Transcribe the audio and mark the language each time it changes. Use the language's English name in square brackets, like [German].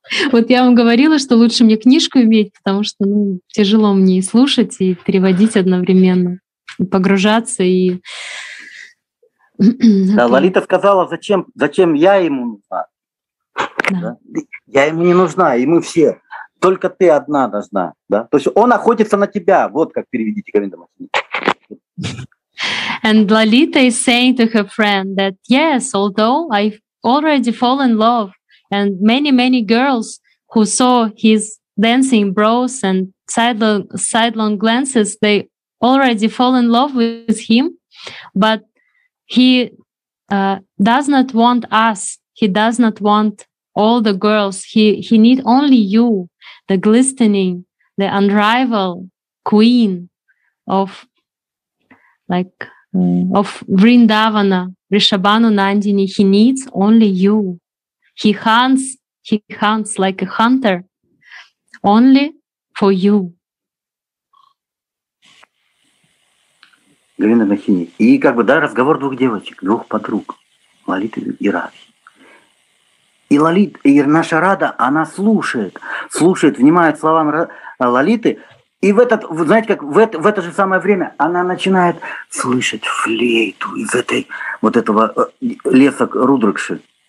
[Russian] Вот я вам говорила, что лучше мне книжку иметь, потому что ну, тяжело мне и слушать, и переводить одновременно, и погружаться. И... Да, Лолита сказала, зачем я ему нужна. Да. Я ему не нужна, и мы все. Только ты одна должна. Да? То есть он охотится на тебя. Вот как переведите, Говинда Махини. [English] And Lolita is saying to her friend that, yes, although I've already fallen in love, and many girls who saw his dancing brows and sidelong glances, they already fall in love with him, but he does not want all the girls, he need only you, the glistening, the unrivaled queen of Vrindavana, Rishabhanu Nandini. He needs only you. He hunts like a hunter, only for you. [Russian] Говинда Махини. И как бы, да, разговор двух девочек, двух подруг, Лолиты и Радхи. И Лолита, и наша Рада, она слушает, внимает словам Лолиты, и в этот, знаете, как в это же самое время она начинает слышать флейту из этой, вот этого леса Рудракши.